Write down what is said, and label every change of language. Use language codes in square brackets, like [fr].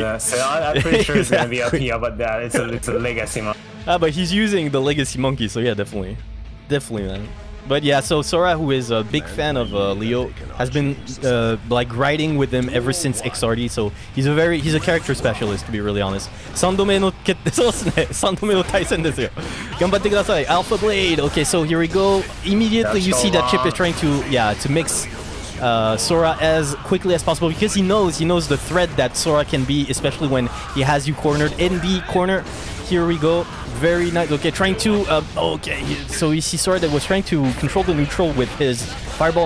[en] I'm pretty sure it's gonna be up here, but it's a legacy monkey. Ah, but he's using the Legacy Monkey, so yeah, definitely. Definitely, man. But yeah, so Sora, who is a big fan of Leo, has been like riding with him ever since XRD, so he's a very, he's a character specialist, to be really honest. [ja] 3度目の決定、そうですね、3度目の対戦ですよ。頑張ってください。Alpha Blade! [en] Okay, so here we go. Immediately, you see that Chip is trying to, yeah, to mix... Sora as quickly as possible because he knows the threat that Sora can be, especially when he has you cornered in the corner. Here we go. Very nice. Okay, trying to... So you see Sora that was trying to control the neutral with his fireball.